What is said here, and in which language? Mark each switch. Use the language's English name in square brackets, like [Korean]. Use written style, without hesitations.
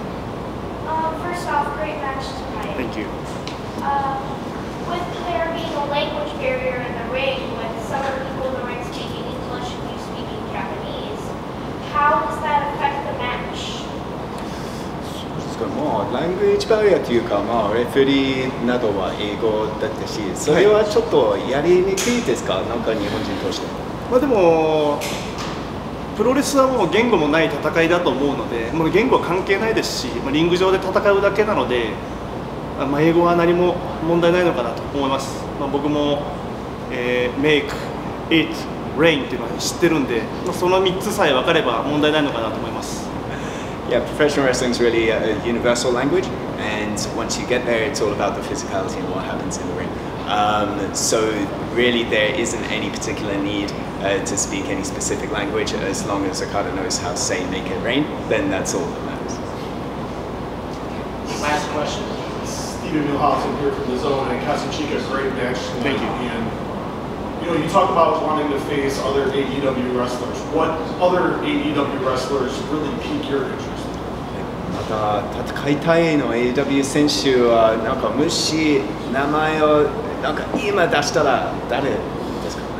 [English] First off, great match tonight. Thank you. With there being a language barrier in the ring, with some of the people in the ring speaking English and you speaking Japanese, how does that affect the match? [Japanese] もうラングエッジバリアというか、まあ、レフェリーなどは英語だったし、それはちょっとやりにくいですか、なんか日本人として。まあ、でも、プロレスはもう言語もない戦いだと思うので、もう言語は関係ないですし、まあ、リング上で戦うだけなので、まあ、英語は何も問題ないのかなと思います。まあ、僕も、 [English] メイク、イット、 [Japanese] レインっていうのは知ってるんで、まあ、その3つさえ分かれば問題ないのかなと思います。 [English] Yeah, professional wrestling is really a universal language, and once you get there, it's all about the physicality and what happens in the ring. So really, there isn't any particular need to speak any specific language. As long as Okada knows how to say "make it rain," then that's all that matters. Last question, Steven Newhouse here from the Zone, and Kazuchika, great match. Thank you. You know, you talk about wanting to face other AEW wrestlers. What other AEW wrestlers really pique your interest? [Japanese] また戦いたいの AEW 選手はなんかもし名前をなんか今出したら誰ですか？